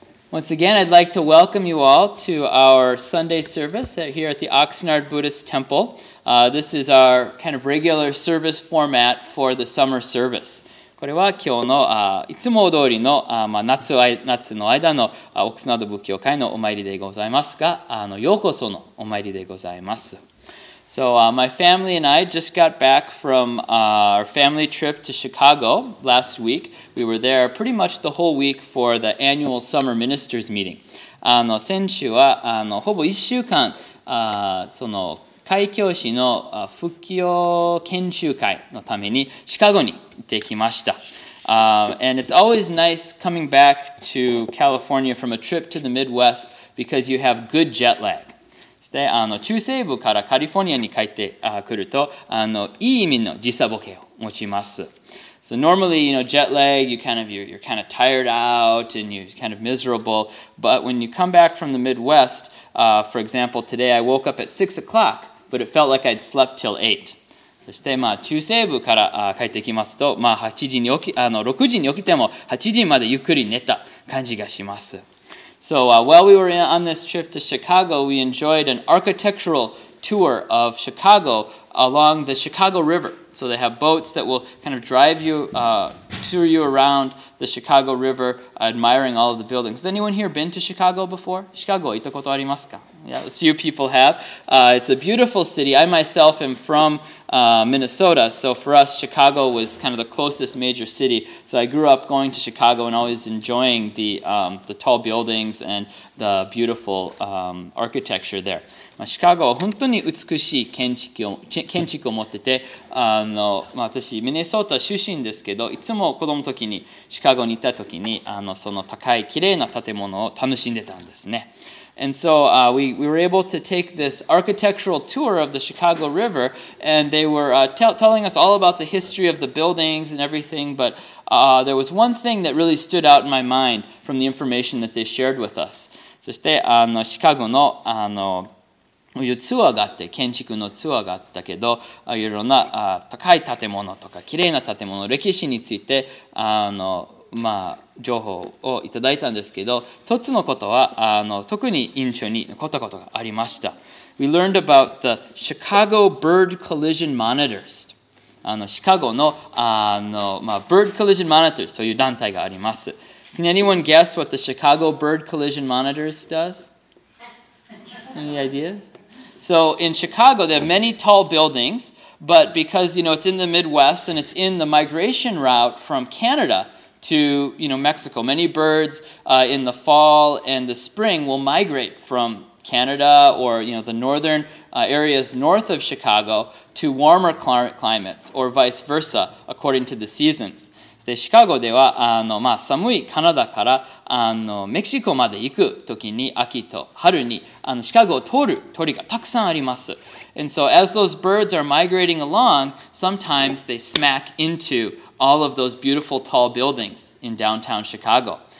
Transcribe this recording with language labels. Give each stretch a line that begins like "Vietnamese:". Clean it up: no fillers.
English: Once again, I'd like to welcome you all to our Sunday service here at the Oxnard Buddhist Temple. This is our kind of regular service format for the summer service.
Japanese: これは今日の、いつも通りの、まあ、夏の間の、オクスナード仏教会のお参りでございますが、ようこそのお参りでございます。
English: So, my family and I just got back from our family trip to Chicago last week. We were there pretty much the whole week for the annual summer ministers meeting.
Japanese: 先週は、ほぼ1週間、その会教師の復帰を研修会のためにシカゴに行ってきました。
English: And it's always nice coming back to California from a trip to the Midwest because you have good jet lag.
Japanese: そして中西部からカリフォルニアに帰ってくるといい意味の時差ボケを持ちます。
English: So normally, you know, jet lag, you're kind of tired out and you're kind of miserable. But when you come back from the Midwest, for example, today I woke up at 6 o'clock, but it felt like I'd slept till 8.
Japanese: そして、まあ、中西部から帰ってきますと、まあ、6時に起きても8時までゆっくり寝た感じがします。
English: So while we were on this trip to Chicago, we enjoyed an architectural tour of Chicago along the Chicago River. So they have boats that will kind of drive you, tour you around the Chicago River, admiring all of the buildings. Has anyone here been to Chicago before? Chicago,
Japanese: 行ったことありますか?
English: Yeah, a few people have. It's a beautiful city. I myself am from Minnesota, so for us, Chicago was kind of the closest major city. So I grew up going to Chicago and always enjoying the tall buildings and the beautiful architecture there.
Japanese: まあ、シカゴは本当に美しい建築を持ってて、まあ、私ミネソータ出身ですけど、いつも子供の時にシカゴに行った時にその高い綺麗な建物を楽しんでたんですね。
English: And so we were able to take this architectural tour of the Chicago River, and they were telling us all about the history of the buildings and everything, but there was one thing that really stood out in my mind from the information that they shared with us.
Japanese: そしてあのシカゴのあのツアーがあって建築のツアーがあったけど、いろんな高い建物とか綺麗な建物、歴史についてあのまあ情報をいただいたんですけど、一つのことはあの特に印象に残ったことがありました。
English: We learned about the Chicago Bird Collision Monitors.
Japanese: あのシカゴのあのまあ Bird Collision Monitors という団体があります。
English: Can anyone guess what the Chicago Bird Collision Monitors does? Any ideas? So in Chicago, they have many tall buildings, but because, you know, it's in the Midwest and it's in the migration route from Canada to, you know, Mexico, many birds in the fall and the spring will migrate from Canada or, you know, the northern areas north of Chicago to warmer climates or vice versa, according to the seasons.
Japanese: でシカゴではあの、まあ、寒いカナダからあのメキシコまで行くときに秋と春にあのシカゴを通る鳥がたくさんあります。
English: And so as those birds are migrating along, sometimes they smack into all of those beautiful tall buildings in downtown Chicago.